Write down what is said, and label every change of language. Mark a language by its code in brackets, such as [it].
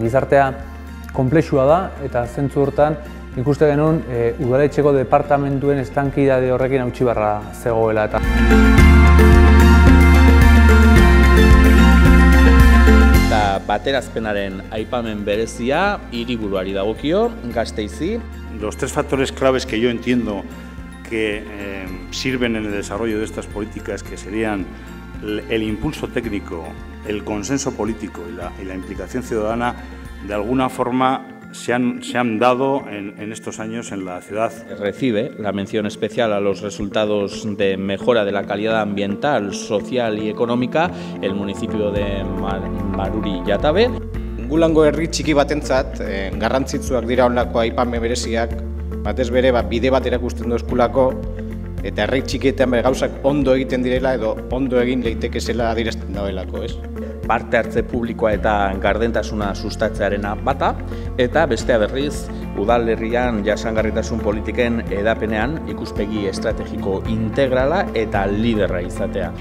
[eu] Gizartea komplexua da eta zentzu hortan ikuste genuen udaletxeko departamentuen estankidade horrekin hautsi barra zegoela. Eta. Baterazpenaren aipamen berezia hiriburuari dagokio, Gasteizi. [es] Los tres factores claves que yo entiendo que sirven en el desarrollo de estas políticas, que serían el impulso técnico, el consenso político y la implicación ciudadana, de alguna forma se han dado en estos años en la ciudad. Recibe la mención especial a los resultados de mejora de la calidad ambiental, social y económica el municipio de Maruri Yatabe. [eu] Gulango herri txiki batentzat, garrantzitsuak dira honlako aipamen bereziak, batez bere bide bat erakusten dozkulako, eta herri txikietan bere gauzak ondo egiten direla edo ondo egin leiteke zela adierazten dauelako, ez? Parte hartze publikoa eta gardentasuna sustatzearena bata, eta bestea berriz, udalerrian jasangarritasun politiken edapenean ikuspegi estrategiko integrala eta liderra izatea.